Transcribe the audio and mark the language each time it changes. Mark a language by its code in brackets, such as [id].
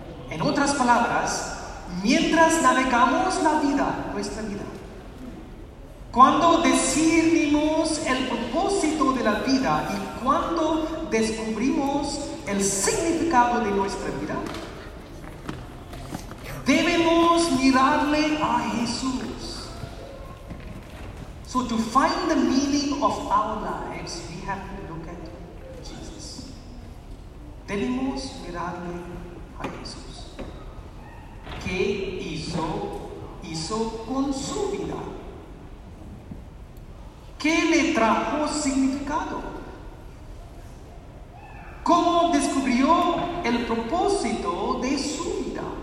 [es] En otras palabras, mientras navegamos la vida, nuestra vida, cuando discernimos el propósito de la vida y cuando descubrimos el significado de nuestra vida, debemos mirarle a Jesús. [en] So to find the meaning of our lives, we have to look at Jesus. [es] Debemos mirarle a Jesús. ¿Qué hizo con su vida? ¿Qué le trajo significado? ¿Cómo descubrió el propósito de su vida?